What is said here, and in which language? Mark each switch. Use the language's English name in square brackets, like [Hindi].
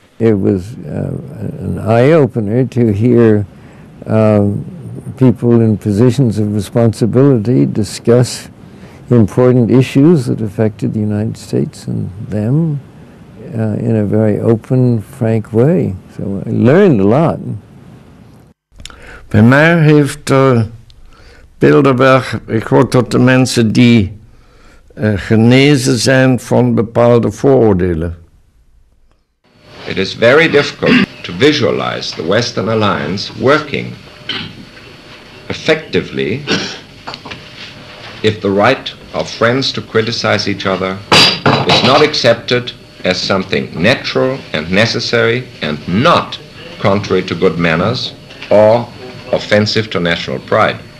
[English] It was an eye-opener to hear people in positions of responsibility discuss important issues that affected the United States and them in a very open, frank way. So I learned a lot. [Dutch] Bij mij heeft Bilderberg, ik hoor tot de mensen die genezen zijn van bepaalde vooroordelen. [English] It is very difficult to visualize the Western Alliance working effectively if the right of friends to criticize each other is not accepted as something natural and necessary and not contrary to good manners or offensive to national pride.